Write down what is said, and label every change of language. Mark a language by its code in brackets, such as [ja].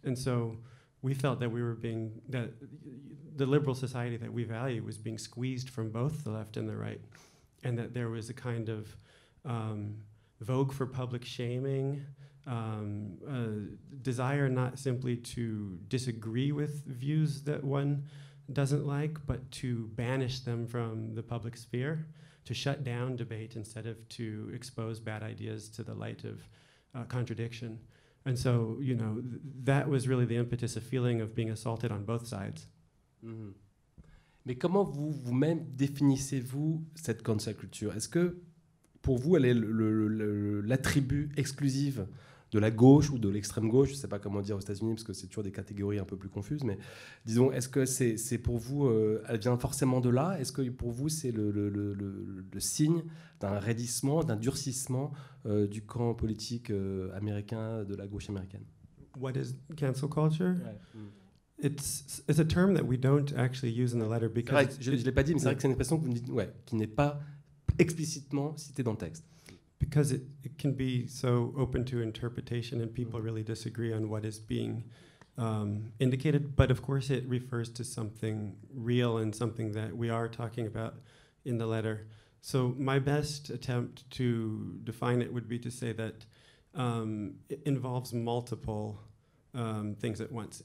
[en] And so we felt that we were being, that the liberal society that we value was being squeezed from both the left and the right, and that there was a kind of vogue for public shaming, a desire not simply to disagree with views that one doesn't like, but to banish them from the public sphere, to shut down debate instead of to expose bad ideas to the light of contradiction. And so, you know, that was really the impetus, a feeling of being assaulted on both sides. Mm-hmm. [fr] Mais comment vous, vous-même définissez-vous cette cancel culture? Est-ce que pour vous, elle est l'attribut exclusif de la gauche ou de l'extrême gauche? Je ne sais pas comment dire aux États-Unis, parce que c'est toujours des catégories un peu plus confuses, mais disons, est-ce que c'est pour vous, elle vient forcément de là? Est-ce que pour vous, c'est le signe d'un raidissement, d'un durcissement du camp politique américain, de la gauche américaine? [en] What is cancel culture? It's a term that we don't actually use in the letter because... [fr] C'est vrai, je ne l'ai pas dit, mais c'est vrai que c'est une expression que vous me dites, ouais, qui n'est pas explicitement citée dans le texte. [en] Because it can be so open to interpretation and people really disagree on what is being indicated. But of course, it refers to something real and something that we are talking about in the letter. So my best attempt to define it would be to say that it involves multiple things at once.